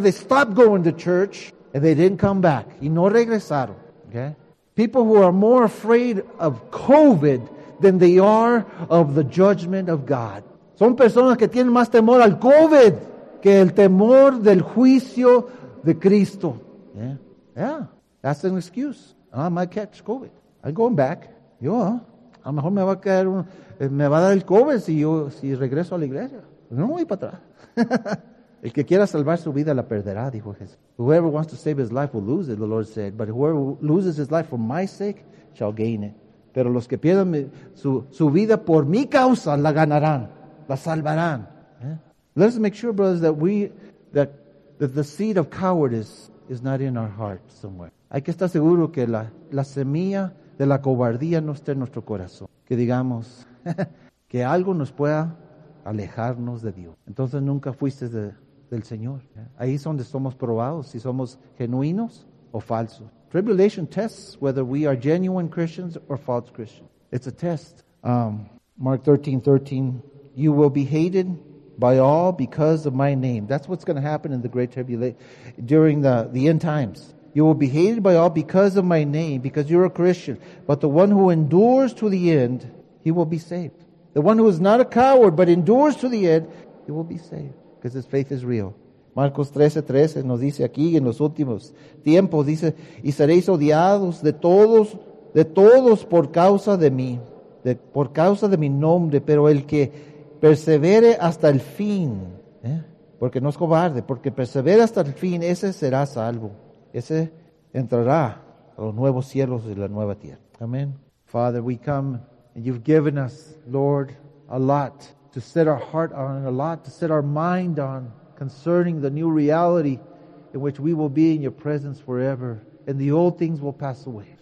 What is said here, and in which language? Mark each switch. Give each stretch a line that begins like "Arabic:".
English: They stopped going to church and they didn't come back.
Spanish: Y no regresaron.
English: Okay? People who are more afraid of COVID than they are of the judgment of God.
Spanish: Son personas que tienen más temor al COVID que el temor del juicio de Cristo.
English: Yeah. Yeah. That's an excuse. I might catch COVID. I'm going back.
Spanish: Yo, a lo mejor me va a dar el COVID si regreso a la iglesia. No voy para atrás. El que quiera salvar su vida la perderá, dijo Jesús.
English: Whoever wants to save his life will lose it, the Lord said. But whoever loses his life for my sake shall gain it.
Spanish: Pero los que pierdan su vida por mi causa la ganarán, la salvarán.
English: Yeah. Let's make sure, brothers, that the seed of cowardice is not in our heart somewhere.
Spanish: Hay que estar seguro que la semilla de la cobardía no esté en nuestro corazón. Que digamos que algo nos pueda alejarnos de Dios. Entonces nunca fuiste del Señor. Yeah. Ahí es donde somos probados, si somos genuinos o falsos.
English: Tribulation tests whether we are genuine Christians or false Christians. It's a test. Mark 13:13. You will be hated by all because of my name. That's what's going to happen in the great tribulation, during the end times. You will be hated by all because of my name, because you're a Christian. But the one who endures to the end, he will be saved. The one who is not a coward but endures to the end, he will be saved. Because his faith is real.
Spanish: Marcos 13:13 nos dice aquí en los últimos tiempos, dice, y seréis odiados de todos por causa de mi nombre, pero el que persevere hasta el fin, porque no es cobarde, porque persevere hasta el fin, ese será salvo, ese entrará a los nuevos cielos y la nueva tierra. Amén.
English: Father, we come, and you've given us, Lord, a lot to set our heart on, a lot to set our mind on concerning the new reality in which we will be in your presence forever, and the old things will pass away.